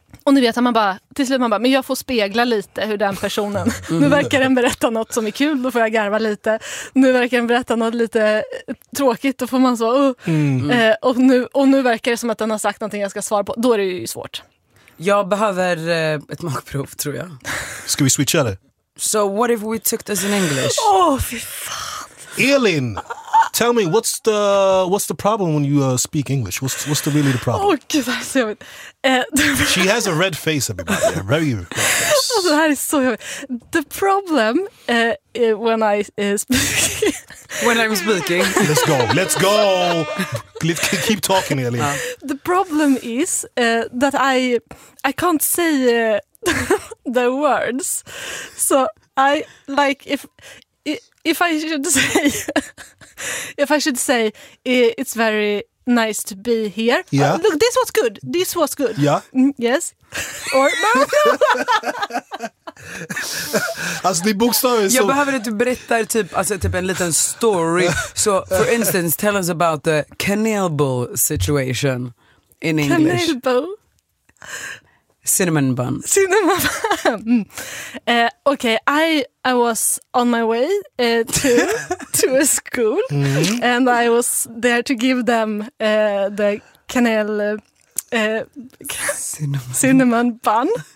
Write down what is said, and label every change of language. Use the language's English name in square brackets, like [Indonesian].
[Swedish] Och ni vet att man bara, till slut man bara, men jag får spegla lite hur den personen, nu verkar den berätta något som är kul, då får jag garva lite. Nu verkar den berätta något lite tråkigt, då får man så, och nu verkar det som att den har sagt någonting jag ska svara på. Då är det ju svårt. Jag behöver ett magprov, tror jag. Ska vi switcha det? [English] So what if we took this in English? [Swedish] Åh, fy fan. Elin! [English] Tell me, what's the problem when you speak English? What's the really the problem? [Swedish] Oh, gud, vad så jobbigt. [English] She has a red face, everybody. A very red face. [Swedish] Alltså, det här är så jobbigt. [English] The problem when I speak... when I'm speaking. Let's go, let's go. Keep talking, Ellie. The problem is that I can't say the words. So I, like, if I should say... If I should say it's very nice to be here. Yeah. Look, this was good. This was good. Yeah. Yes. Or no. [Swedish] Alltså det är bokstaven. Jag behöver att du berättar typ en liten story. [English] So for instance, tell us about the canale bowl situation in English. Canale bowl? Cinnamon bun. Cinnamon bun. Okay, I was on my way to a school, and I was there to give them the canale cinnamon buns.